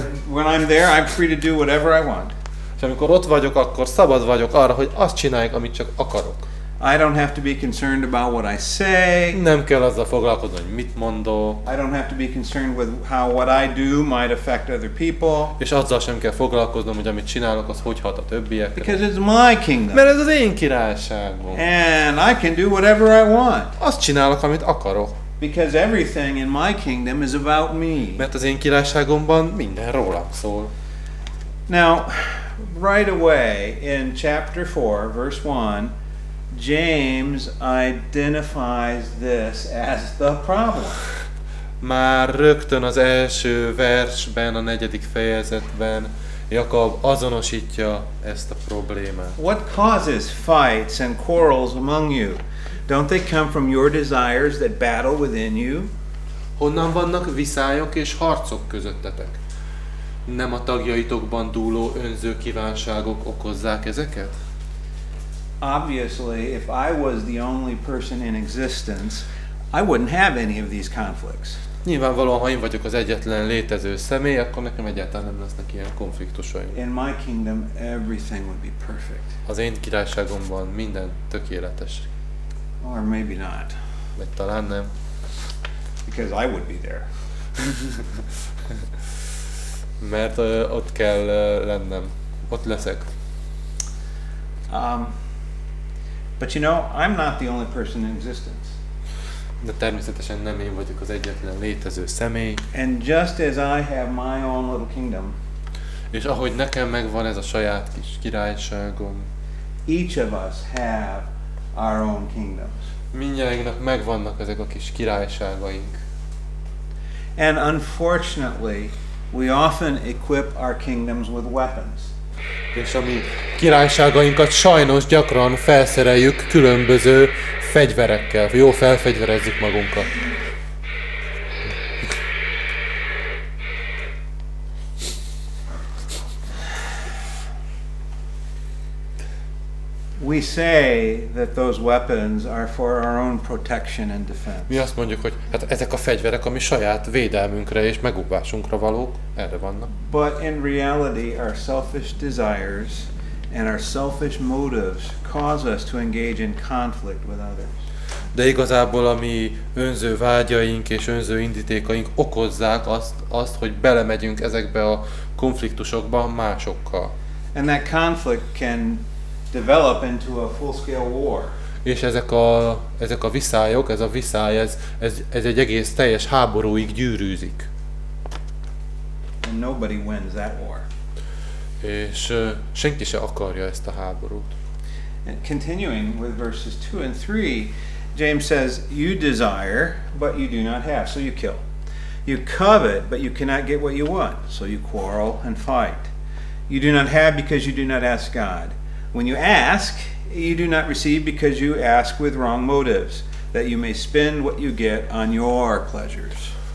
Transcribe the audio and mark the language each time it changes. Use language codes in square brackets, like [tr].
[en] When I'm there, I'm free to do whatever I want. [hu] És amikor ott vagyok, akkor szabad vagyok arra, hogy azt csináljak, amit csak akarok. [en] I don't have to be concerned about what I say. [hu] Nem kell azzal foglalkozni, hogy mit mondok. [en] I don't have to be concerned with how what I do might affect other people. [hu] És azzal sem kell foglalkoznom, hogy amit csinálok, az hogy hat a többiekre. [en] Because it's my kingdom. [hu] Mert ez az én királyságom. [en] And I can do whatever I want. [hu] Azt csinálok, amit akarok. [en] Because everything in my kingdom is about me. [hu] Mert az én királyságomban minden rólam szól. [en] Now, right away in chapter 4, verse 1, James identifies this as the problem. [hu] Már rögtön az első versben, a negyedik fejezetben Jakab azonosítja ezt a problémát. [en] What causes fights and quarrels among you? Don't they come from your desires that battle within you? [hu] Honnan vannak viszályok és harcok közöttetek? Nem a tagjaitokban dúló önző kívánságok okozzák ezeket? [en] Obviously, if I was the only person in existence, I wouldn't have any of these conflicts. [hu] Nyilvánvalóan, ha én vagyok az egyetlen létező személy, akkor nekem egyáltalán nem lesznek ilyen konfliktusaim. [en] In my kingdom, everything would be perfect. [hu] Az én királyságomban minden tökéletes. [en] Or maybe not. [hu] Vagy talán nem. [en] Because I would be there. [hu] Mert ott kell lennem. Ott leszek. [en] But you know, I'm not the only person in existence. [hu] De természetesen nem én vagyok az egyetlen létező személy. [en] And just as I have my own little kingdom. [hu] És ahogy nekem megvan ez a saját kis királyságom. [en] Each of us have our own kingdoms. [hu] Mindjárt megvannak ezek a kis királyságaink. [en] And unfortunately, we often equip our kingdoms with weapons. [hu] És a mi királyságainkat sajnos gyakran felszereljük különböző fegyverekkel. Jó, felfegyverezzük magunkat. [en] We say that those weapons are for our own protection and defense. [hu] Mi azt mondjuk, hogy hát ezek a fegyverek a mi saját védelmünkre és megugvásunkra valók, erre vannak. [en] But in reality, our selfish desires and our selfish motives cause us to engage in conflict with others. [hu] De igazából a mi önző vágyaink és önző indítékaink okozzák azt, hogy belemegyünk ezekbe a konfliktusokba másokkal. [en] And that conflict can develop into a full-scale war. [hu] És ezek a viszályok, ez a viszály, ez egy egész teljes háborúig gyűrűzik. [en] And nobody wins that war. [hu] És senki se akarja ezt a háborút. [en] And continuing with verses 2 and 3, James says, you desire, but you do not have, so you kill. You covet, but you cannot get what you want, so you quarrel and fight. You do not have because you do not ask God. When you ask, you do not receive because you ask with wrong motives, that you may spend what you get on your pleasures.